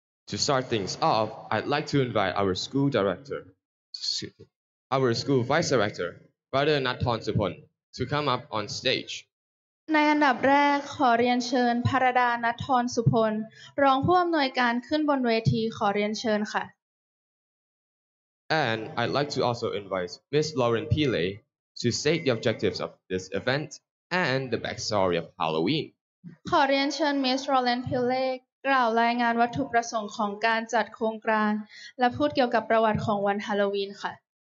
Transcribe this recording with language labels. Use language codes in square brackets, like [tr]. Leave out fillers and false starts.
[en] To start things off I'd like to invite our school director our school vice director Brother Natthorn Supon to come up on stage [th] ในอันดับแรกขอเรียนเชิญพรดาณัฐธรสุพลรองผู้อำนวยการขึ้นบนเวทีขอเรียนเชิญค่ะ [en] And I'd like to also invite Miss Lauren Pile to state the objectives of this event and the backstory of Halloween [th] ขอเรียนเชิญ Miss Lauren Pile กล่าวรายงานวัตถุประสงค์ของการจัดโครงการและพูดเกี่ยวกับประวัติของวันฮาโลวีนค่ะ